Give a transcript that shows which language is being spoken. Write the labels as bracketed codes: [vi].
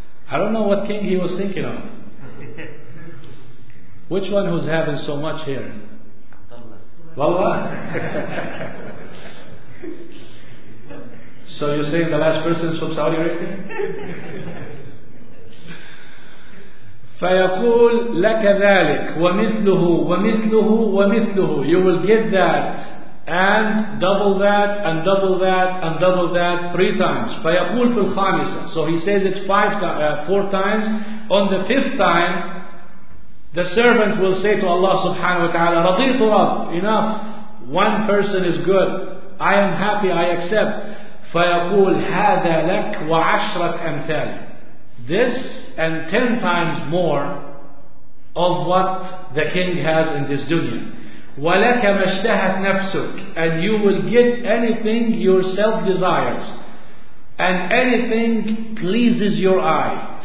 [en] I don't know what king he was thinking of. Which one who's having so much here? Wallah. So you're saying the last person is from Saudi Arabia? [ar] فيقول لك ذلك ومثله ومثله ومثله. [en] You will get that and double that and double that and double that three times. [ar] فيقول في الخامسة. [en] So he says it four times. On the fifth time, the servant will say to Allah subhanahu wa ta'ala, [ar] رضيت رب. [en] Enough. One person is good. I am happy. I accept. [ar] فيقول هذا لك وعشرة أمثال. [en] This and 10 times more of what the king has in this dunya. [ar] ولك ما اشتهت نفسك. [en] And you will get anything yourself desires. And anything pleases your eye.